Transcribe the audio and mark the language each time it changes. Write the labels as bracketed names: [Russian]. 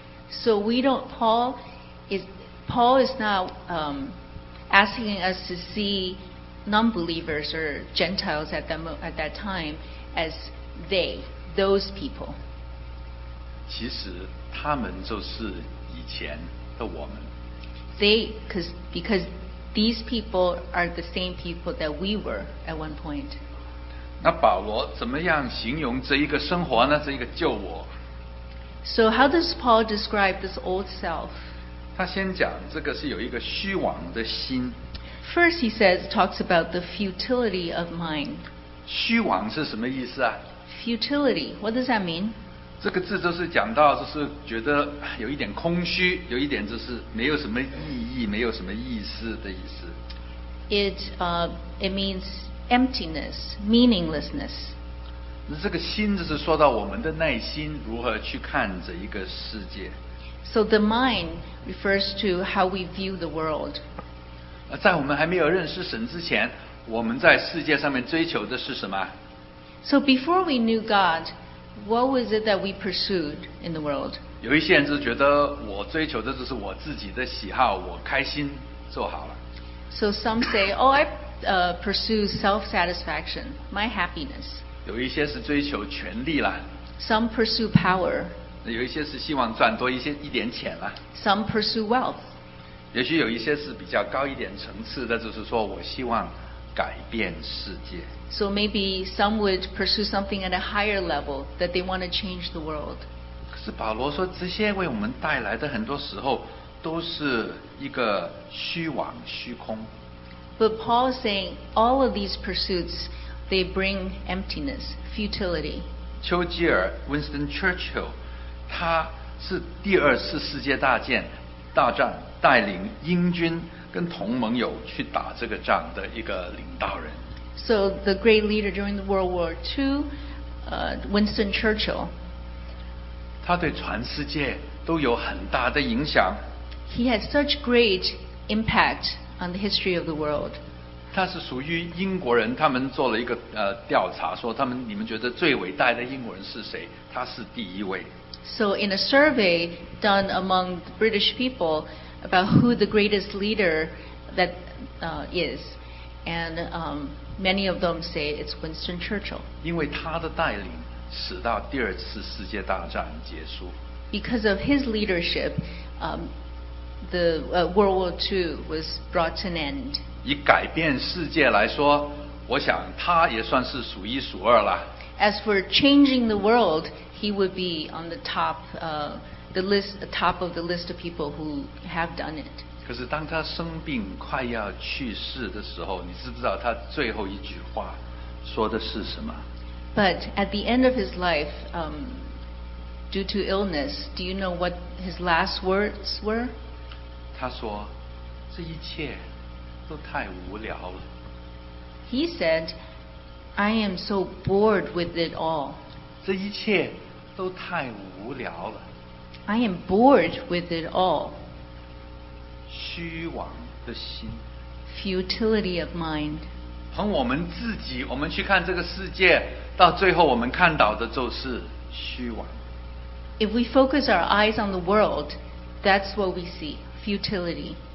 [English] So we don't, Paul is not asking us to see. Non-believers or Gentiles at that time as they, those people. [Chinese] 其实他们就是以前的我们。 [English] They, because these people are the same people that we were at one point. [Chinese] 那保罗怎么样形容这一个生活呢？这一个旧我。 [English] So how does Paul describe this old self? [Chinese] 他先讲这个是有一个虚妄的心。 [English] First, he says, talks about the futility of mind. [Chinese] 虚妄是什么意思啊? [English] Futility, what does that mean? [Chinese] 这个字就是讲到就是觉得有一点空虚，有一点就是没有什么意义，没有什么意思的意思。 [English] It means emptiness, meaninglessness. [Chinese] 那这个心就是说到我们的内心如何去看这一个世界。 [English] So the mind refers to how we view the world. [Chinese] 在我们还没有认识神之前，我们在世界上面追求的是什么？ [English] So before we knew God, what was it that we pursued in the world? [Chinese] 有一些人就觉得我追求的就是我自己的喜好，我开心就好了。 [English] So some say, oh, I pursue self-satisfaction, my happiness. [Chinese] 有一些是追求权力了。 [English] Some pursue power. [Chinese] 有一些是希望赚多一点钱了。 [English] Some pursue wealth. [Chinese] 也许有一些是比较高一点层次的，就是说我希望改变世界。 [English] So maybe some would pursue something at a higher level that they want to change the world. [Chinese] 可是保罗说，这些为我们带来的很多时候都是一个虚妄、虚空。 [English] But Paul is saying all of these pursuits, they bring emptiness, futility. [Chinese] 丘吉尔 Winston Churchill, 他是第二次世界大战大战带领英军跟同盟友去打这个仗的一个领导人。 [English] So the great leader during the World War II, Winston Churchill. [Chinese] 他对全世界都有很大的影响。 [English] He had such great impact on the history of the world. [Chinese] 他是属于英国人，他们做了一个调查，说他们你们觉得最伟大的英国人是谁？他是第一位。 [English] So in a survey done among the British people about who the greatest leader that is, and many of them say it's Winston Churchill. [Chinese] 因为他的带领使到第二次世界大战结束。 [English] Because of his leadership, World War II was brought to an end. [Chinese] 以改变世界来说，我想他也算是数一数二了。 [English] As for changing the world, he would be on the top, top of the list of people who have done it. [Chinese] 可是当他生病快要去世的时候，你知不知道他最后一句话说的是什么？ [English] But at the end of his life, due to illness, do you know what his last words were? [Chinese] 他说，这一切都太无聊了。 [English] He said, I am so bored with it all. [Chinese] 这一切都太无聊了。 [English] I am bored with it all. [Chinese] 虚妄的心。 [English] Futility of mind. [Chinese] 从我们自己，我们去看这个世界，到最后我们看到的就是虚妄。 [English] If we focus our eyes on the world, that's what we see, futility.